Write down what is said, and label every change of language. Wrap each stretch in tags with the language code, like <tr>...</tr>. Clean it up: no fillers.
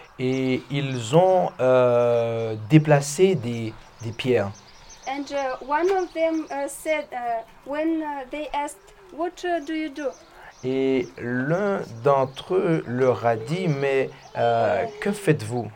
<fr>Et ils ont déplacé des pierres.</fr> <en>And one of them said when they asked what do you do?</en> <fr>Et l'un d'entre eux leur a dit mais que faites-vous?</fr>